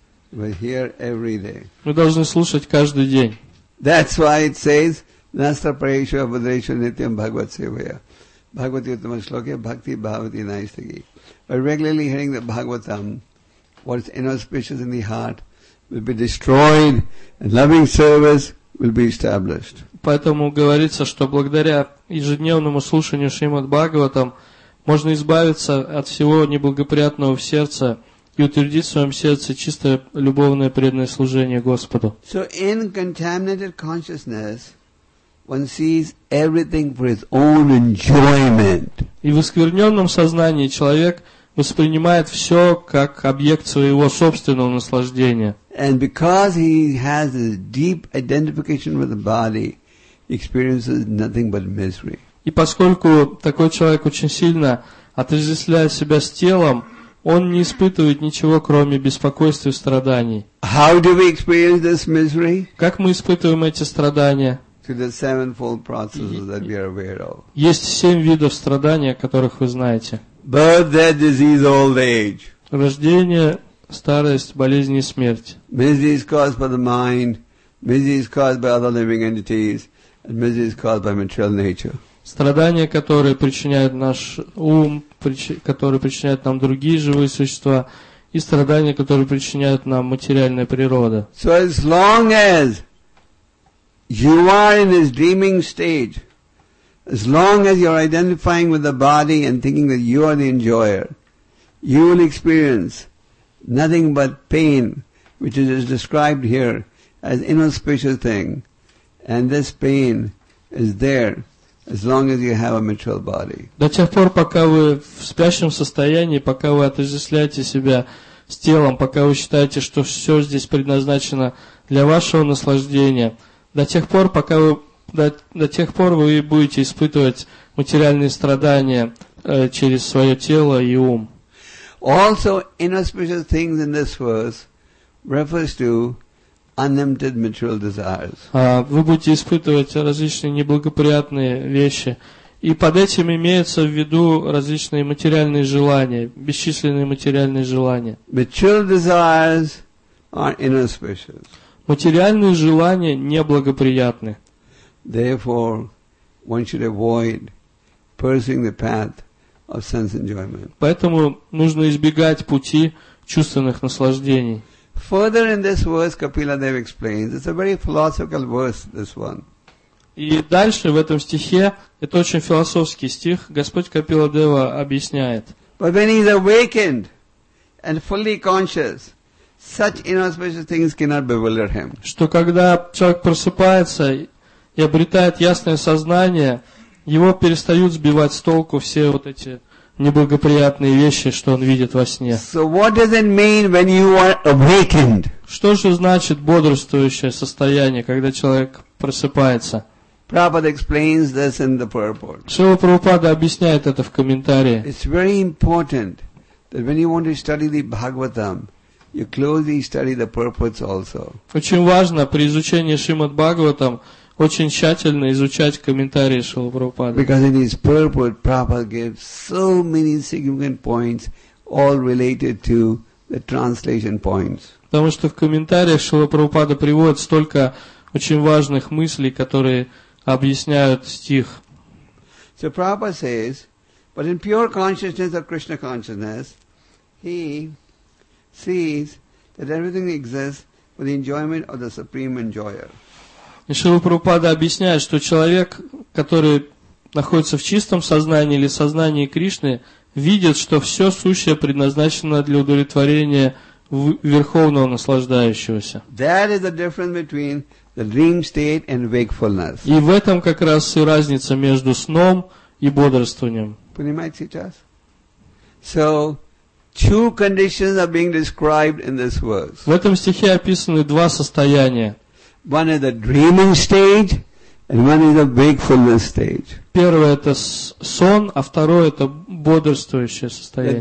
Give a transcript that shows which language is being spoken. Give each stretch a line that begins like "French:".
Russian: Мы должны слушать каждый день.
English: That's why it says
Sanskrit: Nastra Prayeshwa Vadresha Nityam Bhagavat Sevaya. Bhagavat Yutama Shloke Bhakti Bhavati Naistagi.
English: By regularly hearing the Bhagavatam, what is inauspicious in the heart will be destroyed and loving service will be established.
Russian: Поэтому говорится, что благодаря ежедневному слушанию Шримад Бхагаватам можно избавиться от всего неблагоприятного в сердце и утвердить в своем сердце чистое любовное преданное служение Господу.
English: So in contaminated consciousness, one sees everything for his own enjoyment.
Russian: И в оскверненном сознании человек воспринимает все как объект своего собственного наслаждения.
English: And because he has a deep identification with the body, he experiences nothing but misery.
Russian: И поскольку такой человек очень сильно отождествляет себя с телом, он не испытывает ничего, кроме беспокойства и страданий.
English: How do we experience this misery?
Russian: Как мы испытываем эти страдания?
English: Through the sevenfold processes that we are aware of.
Russian: Есть семь видов страдания, о которых вы знаете.
English: Birth, death, disease, old age.
Russian: Рождение, старость, болезни и смерть.
English: Misery is caused by the mind. Misery is caused by other living entities. And misery is caused by material nature.
Russian: Страдания, которые причиняют наш ум, которые причиняют нам другие живые существа, и страдания, которые причиняют нам материальная природа.
English: So as long as you are in this dreaming stage, as long as you're identifying with the body and thinking that you are the enjoyer, you will experience nothing but pain, which is described here as inauspicious thing. And this pain is there as long as you have a material body.
Russian: До тех пор, пока вы в спящем состоянии, пока вы отождествляете себя с телом, пока вы считаете, что все здесь предназначено для вашего наслаждения, до тех пор, пока вы до тех пор вы будете испытывать материальные страдания через свое тело и ум.
English: Also, inauspicious things in this verse refers to unlimited material desires.
Russian: Вы будете испытывать различные неблагоприятные вещи, и под этим имеются в виду различные материальные желания, бесчисленные материальные желания.
English: Material desires are inauspicious.
Russian: Материальные желания неблагоприятны.
English: Therefore, one should avoid pursuing the path of sense enjoyment.
Russian: Поэтому нужно избегать пути чувственных наслаждений.
English: Further in this verse, Kapila Dev explains, it's a very philosophical verse, this one.
Russian: И дальше в этом стихе, это очень философский стих, Господь Капила Дева объясняет.
English: But when he is awakened and fully conscious, such inauspicious things cannot bewilder him.
Russian: Что когда человек просыпается и обретает ясное сознание, его перестают сбивать с толку все вот эти неблагоприятные вещи, что он видит во сне.
English: So what does it mean when you are awakened?
Russian: Что же значит бодрствующее состояние, когда человек просыпается?
English: Prabhupada explains this in the purport.
Russian: Шрила Прабхупада объясняет это в комментарии.
English: It's very important that when you want to study the Bhagavatam, you closely study the purports also.
Russian: Очень важно при изучении Шримад Бхагаватам очень тщательно изучать комментарии Шрилы Прабхупады.
English: Because in his purport, Prabhupada gives so many significant points, all related to the translation points.
Russian: Потому что в комментариях Шрилы Прабхупады приводят столько очень важных мыслей, которые объясняют стих.
English: So Prabhupada says, but in pure consciousness of Krishna consciousness, he sees that everything exists for the enjoyment of the supreme enjoyer.
Russian: И Шрила Прабхупада объясняет, что человек, который находится в чистом сознании или сознании Кришны, видит, что все сущее предназначено для удовлетворения верховного наслаждающегося.
English: That is the difference between the dream state and wakefulness.
Russian: И в этом как раз и разница между сном и бодрствованием. Понимаете сейчас?
English: So, two conditions are being described in this verse.
Russian: В этом стихе описаны два состояния.
English: One is the dreaming stage, and one is the wakefulness stage.
Russian: Первое это сон, а второе это бодрствующее состояние.